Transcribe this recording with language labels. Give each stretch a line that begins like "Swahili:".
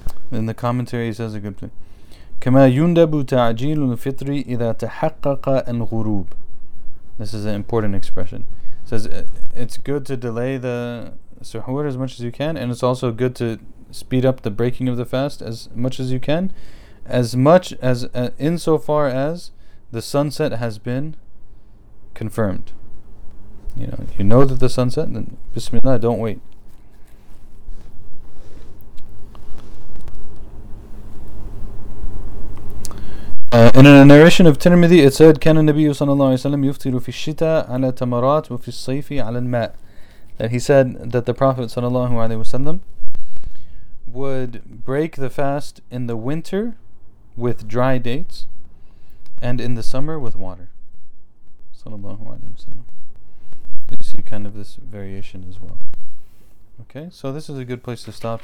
English: In the commentary, he says a good thing.
Arabic: كما يندب تعجيل الفطر إذا تحقق الغروب.
English: This is an important expression. It says it's good to delay the suhoor as much as you can, and it's also good to speed up the breaking of the fast as much as you can, as much as insofar as the sunset has been confirmed. You know that the sunset, then Bismillah, don't wait. In a narration of Tirmidhi, it said,
Arabic: كان النبي صلى الله عليه وسلم يفطر في الشتاء على تمرات وفي الصيف على الماء.
English: That he said that the Prophet
Arabic: صلى الله عليه وسلم
English: would break the fast in the winter with dry dates and in the summer with water.
Arabic: صلى الله عليه وسلم.
English: So you see kind of this variation as well. Okay, so this is a good place to stop.